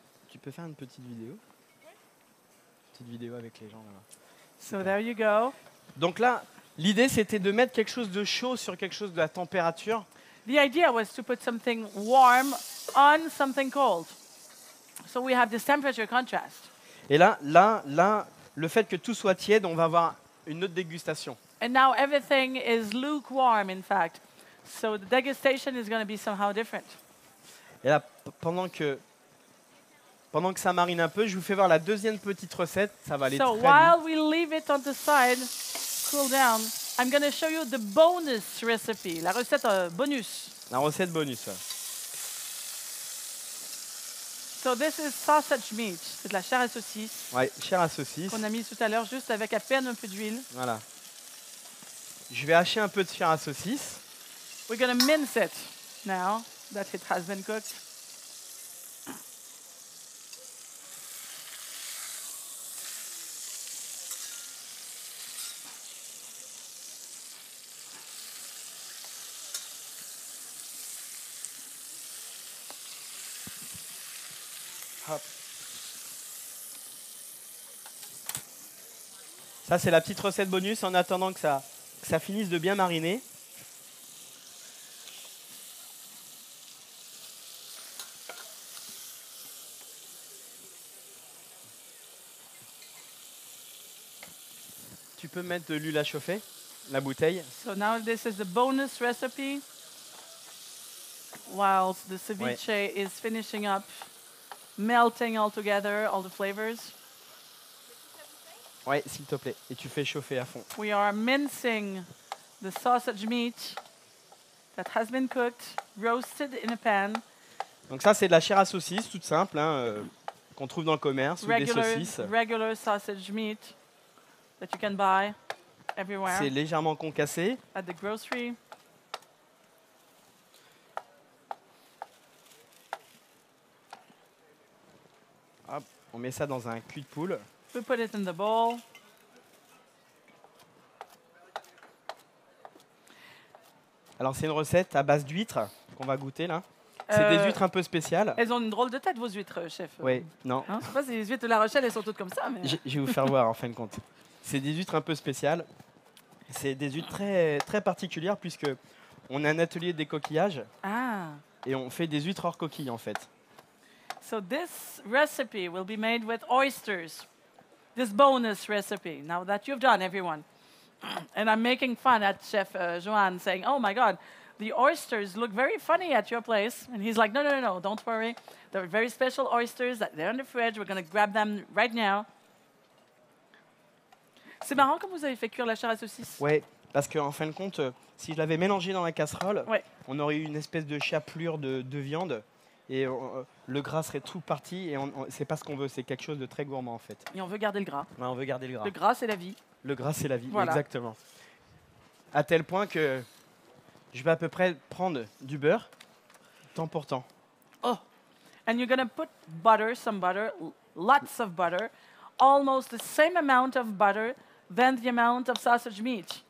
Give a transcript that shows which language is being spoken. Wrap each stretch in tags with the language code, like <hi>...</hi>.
<fr>Tu peux faire une petite vidéo? Petite vidéo avec les gens là-bas.</fr> <en>So there you go.</en> <fr>Donc là, l'idée c'était de mettre quelque chose de chaud sur quelque chose de la température.</fr> <en>The idea was to put something warm on something cold. So we have this temperature contrast.</en> <fr>Et là, le fait que tout soit tiède, on va avoir une autre dégustation.</fr> <en>And now everything is lukewarm, in fact. So the degustation is going to be somehow different.</en> <fr>Et là, pendant que ça marine un peu, je vous fais voir la deuxième petite recette. Ça va aller très bien.</fr> <en>So while we leave it on the side, cool down, I'm going to show you the bonus recipe.</en> <fr>La recette bonus. La recette bonus.</fr> <en>So this is sausage meat.</en> <fr>C'est de la chair à saucisse. Ouais, chair à saucisse. Qu'on a mis tout à l'heure, juste avec à peine un peu d'huile. Voilà. Je vais hacher un peu de chair à saucisse.</fr> <en>We're going to mince it now that it has been cooked.</en> <fr>Hop. Ça, c'est la petite recette bonus en attendant que ça finisse de bien mariner. Tu peux mettre de l'huile à chauffer, la bouteille.</fr> <en>So now this is the bonus recipe. While the ceviche is finishing up, melting all together, all the flavors.</en> <fr>Ouais, s'il te plaît. Et tu fais chauffer à fond.</fr> <en>We are mincing the sausage meat that has been cooked, roasted in a pan.</en> <fr>Donc ça, c'est de la chair à saucisse, toute simple, hein, qu'on trouve dans le commerce,</fr> <en>regular,</en> <fr>ou des saucisses.</fr> <en>Regular sausage meat. That you can buy everywhere.</en> <fr>C'est légèrement concassé.</fr> <en>At the grocery.</en> <fr>Hop, on met ça dans un cul de poule.</fr> <en>We put it in the bowl.</en> <fr>Alors c'est une recette à base d'huîtres qu'on va goûter là. C'est des huîtres un peu spéciales. Elles ont une drôle de tête, vos huîtres, chef. Oui, non. Hein, je ne sais pas si les huîtres de La Rochelle, elles sont toutes comme ça. Mais... Je vais vous faire voir en fin de compte. C'est des huîtres un peu spéciales. C'est des huîtres très, très particulières puisqu'on a un atelier des coquillages. Ah. Et on fait des huîtres hors coquille, en fait.</fr> <en>So this recipe will be made with oysters. This bonus recipe, now that you've done, everyone. And I'm making fun at Chef Joanne, saying, oh my God, the oysters look very funny at your place. And he's like, no, don't worry. They're very special oysters. They're in the fridge. We're going to grab them right now.</en> <fr>C'est marrant comme vous avez fait cuire la chair à saucisse. Oui, parce qu'en fin de compte, si je l'avais mélangé dans la casserole, ouais, on aurait eu une espèce de chapelure de viande. Et le gras serait tout parti. Et c'est pas ce qu'on veut. C'est quelque chose de très gourmand, en fait. Et on veut garder le gras. Ouais, on veut garder le gras. Le gras, c'est la vie. Le gras, c'est la vie, voilà. Exactement. À tel point que je vais à peu près prendre du beurre, temps pour temps.</fr> <en>Oh, and you're going to put butter, some butter, lots of butter, almost the same amount of butter than the amount of sausage meat.</en>